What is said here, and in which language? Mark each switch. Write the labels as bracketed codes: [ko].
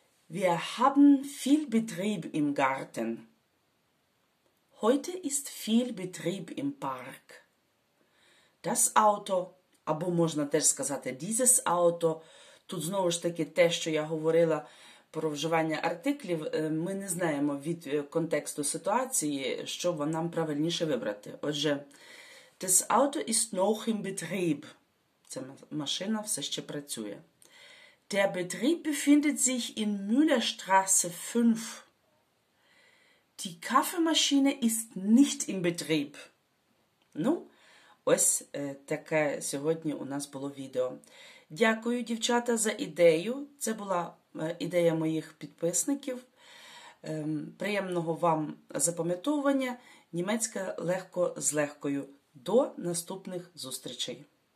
[de] Wir haben viel Betrieb im Garten. Heute ist viel Betrieb im Park. Das Auto. [uk] Або можна теж сказати [de] «dieses Auto». [uk] Тут знову ж таки те, що я говорила про вживання артиклів, ми не знаємо від контексту ситуації, що нам правильніше вибрати. Отже, [de] «das Auto ist noch im Betrieb». [uk] Ця машина все ще працює. [de] «Der Betrieb befindet sich in Müllerstraße 5». «Die Kaffeemaschine ist nicht im Betrieb». [uk] Ну, ось таке сьогодні у нас було відео. Дякую, дівчата, за ідею. Це була ідея моїх підписників. Приємного вам запам'ятовування. Німецька легко з легкою. До наступних зустрічей.